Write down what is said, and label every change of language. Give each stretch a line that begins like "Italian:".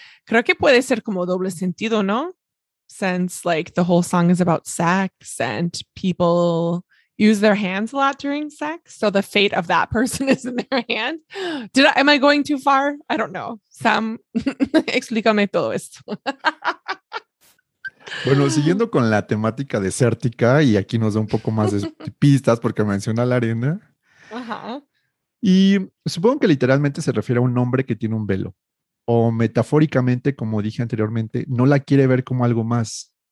Spanish: Creo que puede ser como doble sentido, ¿no?
English: Since like the whole song is about sex and people use their hands a lot during sex. So the fate of that person is in their hand. Am I going too far? I don't know.
Spanish: Sam, explícame todo esto. Bueno, siguiendo con la temática desértica, y aquí nos da un poco más de pistas porque menciona la arena. Uh-huh. Y supongo que literalmente se refiere a un hombre que tiene un velo. O metafóricamente, como dije anteriormente, no la quiere ver como algo más.